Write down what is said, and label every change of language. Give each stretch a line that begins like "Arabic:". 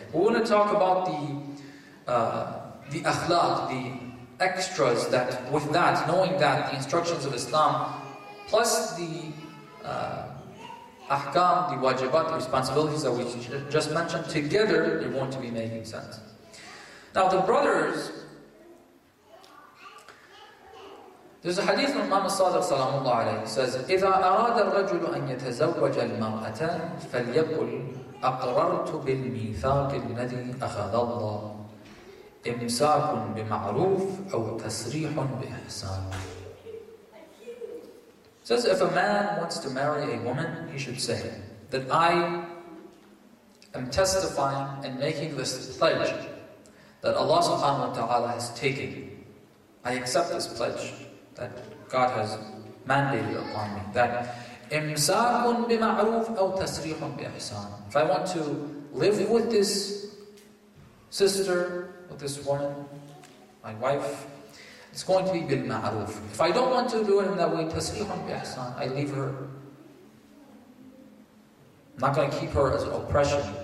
English: We want to talk about the akhlaq, the extras that with that, knowing that the instructions of Islam, plus the ahkam, the wajibat, the responsibilities that we just mentioned, together, they want to be making sense. Now the brothers, there's a hadith from Imam al-Sadiq sallallahu alayhi, he says,
Arabic: إِذَا أَرَادَ الرَّجُلُ أَن يَتَزَوَّجَ الْمَرْأَةَ فَلْيَقُلْ أَقْرَرْتُ بِالْمِيثَاقِ الَّذِي أَخَذَ اللَّهُ إمساك بمعروف أو تسريح بإحسان.
English: Says if a man wants to marry a woman, he should say that I am testifying and making this pledge that Allah subhanahu wa ta'ala has taken. I accept this pledge that God has mandated upon me. That
Arabic: إمساك بمعروف أو تسريح بإحسان.
English: If I want to live with this sister, with this woman, my wife, it's going to be bil ma'aruf. If I don't want to do it in that way, tasrihun bi ihsan, I leave her. I'm not going to keep her as oppression.